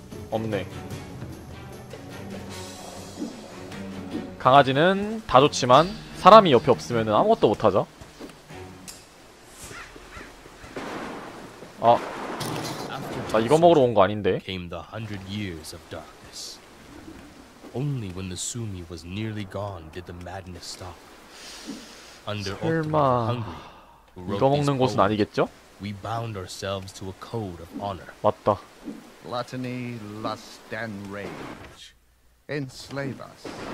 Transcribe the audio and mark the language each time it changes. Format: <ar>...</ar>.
<ko>없네. 강아지는 다 좋지만 사람이 옆에 없으면 아무것도 못하죠. 아, 나 이거 먹으러 온 거 아닌데.</ko> <en>Came the hundred years of darkness. Only when the Sumi was nearly gone did the madness stop. Under ultimate hunger,</en> <ko>이거 먹는 곳은 아니겠죠?</ko> <en>We bound ourselves to a code of honor.</en> <ko>맞다.</ko> <en>Gluttony, lust, and rage enslave us.</en>